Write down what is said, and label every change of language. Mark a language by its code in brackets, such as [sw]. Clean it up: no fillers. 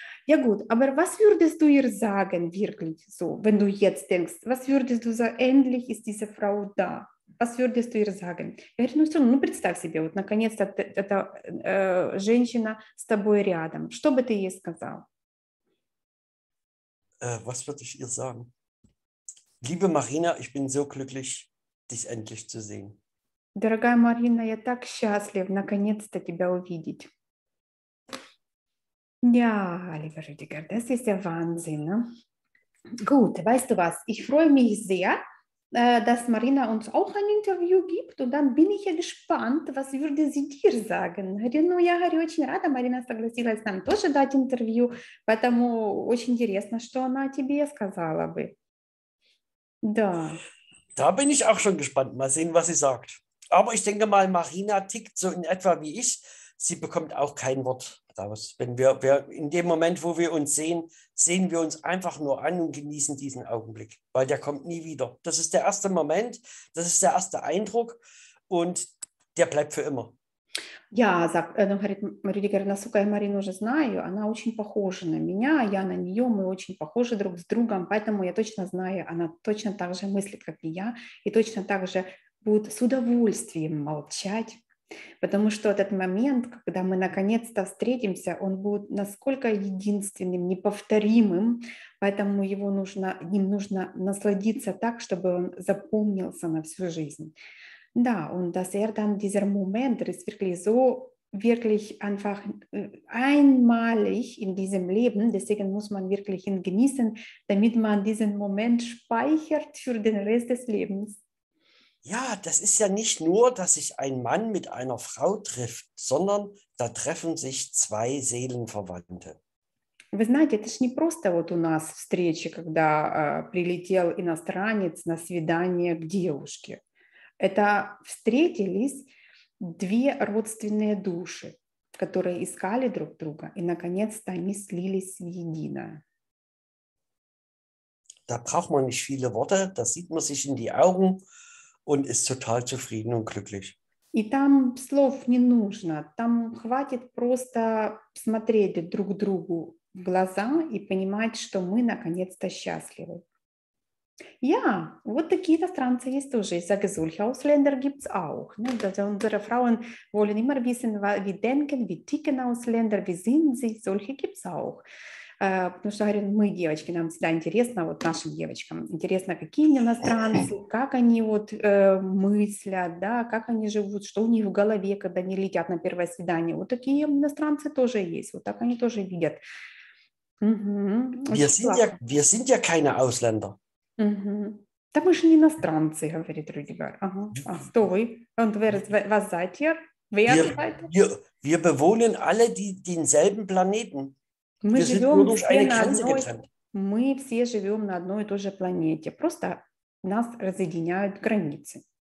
[de] Ja gut, aber was würdest du ihr sagen wirklich so, wenn du jetzt denkst, was würdest du sagen, endlich ist diese Frau da? Was würdest du ihr sagen? [ru] Я говорю, ну все равно, ну представь себе, вот наконец-то эта женщина с тобой рядом. Что бы ты ей сказал? [de] Was würde ich ihr sagen? Liebe Marina, ich bin so glücklich, dich endlich zu sehen. [ru] Дорогая Марина, я так счастлив, наконец-то тебя увидеть. [de] Ja, lieber Rüdiger, das ist ja Wahnsinn. Ne? Gut, weißt du was, ich freue mich sehr, dass Marina uns auch ein Interview gibt und dann bin ich ja gespannt, was würde sie dir sagen. [ru] Ну, я говорю, очень рада, Марина согласилась нам тоже дать интервью, поэтому очень интересно, что она тебе сказала бы. Да. [de] Da bin ich auch schon gespannt, mal sehen, was sie sagt. Aber ich denke mal, Marina tickt so in etwa wie ich, sie bekommt auch kein Wort daraus. Wenn wir in dem Moment, wo wir uns sehen, sehen wir uns einfach nur an und genießen diesen Augenblick, weil der kommt nie wieder. Das ist der erste Moment, das ist der erste Eindruck und der bleibt für immer. [ru] Я, говорит Рюдигер, насколько я Марину уже знаю, она очень похожа на меня, я на нее, мы очень похожи друг с другом, поэтому я точно знаю, она точно так же мыслит, как и я, и точно так же будет с удовольствием молчать. Потому что этот момент, когда мы наконец-то встретимся, он будет насколько единственным, неповторимым, поэтому его нужно, ним нужно насладиться так, чтобы он запомнился на всю жизнь. [de] Да, und das er dann dieser Moment ist wirklich so, wirklich einfach einmalig in diesem Leben, deswegen muss man wirklich ihn genießen, damit man diesen Moment speichert für den Rest des Lebens. Ja, das ist ja nicht nur, dass sich ein Mann mit einer Frau trifft, sondern da treffen sich zwei Seelenverwandte. [ru] Вы знаете, это ж не просто вот у нас встреча, когда прилетел иностранец на свидание к девушке. Это встретились две родственные души, которые искали друг друга, и наконец-то они слились в единое. [de] Da braucht man nicht viele Worte, da sieht man sich in die Augen. Und ist total zufrieden und glücklich. [ru] И там слов не нужно. Там хватит просто смотреть друг другу в глаза и понимать, что мы наконец-то счастливы. Ja, вот такие иностранцы есть тоже. [de] Ich sage, solche Ausländer gibt es auch. Ne? Also unsere Frauen wollen immer wissen, wie denken, wie ticken Ausländer, wie sind sie. Solche gibt es auch. [ru] Потому что говорят, мы девочки, нам всегда интересно, вот нашим девочкам интересно, какие иностранцы, как они вот мыслят, да, как они живут, что у них в голове, когда они летят на первое свидание. Вот такие иностранцы тоже есть, вот так они тоже видят. [de] Wir sind ja, keine Ausländer. [ru] Да мы же не иностранцы, говорит Рюдигар. А кто вы? [de] Und wer, was seid ihr? Wir bewohnen alle denselben Planeten. [ru] Мы живем [de] nur durch eine Grenze getrennt. [ru] Мы все живем на одной и той же планете. Просто нас разъединяют границы.